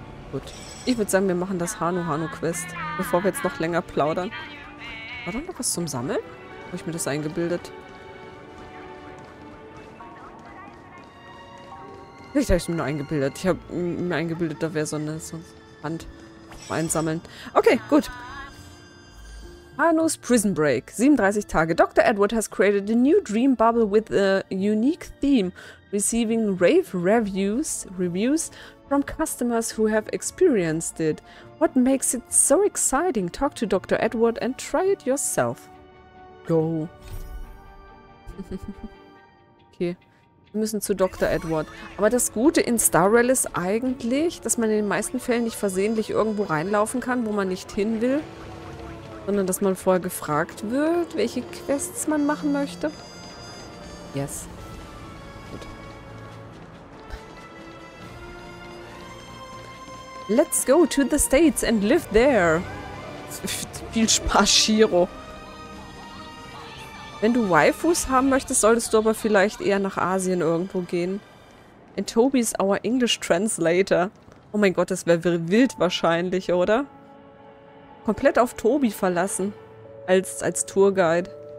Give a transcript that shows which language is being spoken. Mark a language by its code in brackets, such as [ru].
[de] Gut. Ich würde sagen, wir machen das Hanu-Hanu-Quest, bevor wir jetzt noch länger plaudern. War da noch was zum Sammeln? Habe ich mir das eingebildet? Vielleicht habe ich es mir nur eingebildet. Ich habe mir eingebildet, da wäre so eine Hand einsammeln. Okay, gut. Hanu's Prison Break. 37 Tage. Dr. [en] Edward has created a new dream bubble with a unique theme, receiving rave reviews from customers who have experienced it. What makes it so exciting? Talk to Dr. Edward and try it yourself. Go. [de] Okay. Wir müssen zu Dr. Edward. Aber das Gute in Star Rail ist eigentlich, dass man in den meisten Fällen nicht versehentlich irgendwo reinlaufen kann, wo man nicht hin will. Sondern, dass man vorher gefragt wird, welche Quests man machen möchte. [en] Yes. [de] Gut. [en] Let's go to the States and live there. [de] Viel Spaß, Shiro. Wenn du Waifus haben möchtest, solltest du aber vielleicht eher nach Asien irgendwo gehen. [en] And Toby is our English Translator. [de] Oh mein Gott, das wäre wild wahrscheinlich, oder? Komplett auf Tobi verlassen. Als Tourguide.